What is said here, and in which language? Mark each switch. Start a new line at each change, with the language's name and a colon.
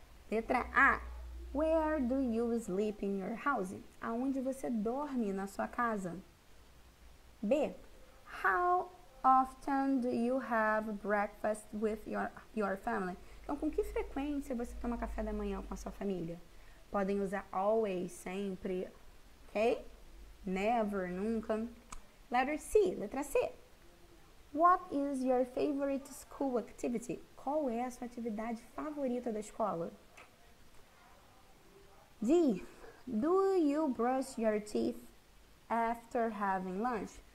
English: Letra A, where do you sleep in your house?
Portuguese: Aonde você dorme na sua casa?
English: B, how often do you have breakfast with your family?
Portuguese: Então, com que frequência você toma café da manhã com a sua família? Podem usar
English: always,
Portuguese: sempre, ok?
English: Never,
Portuguese: nunca. Letra C.
English: What is your favorite school activity?
Portuguese: Qual é a sua atividade favorita da escola? D.
English: Do you brush your teeth after having lunch?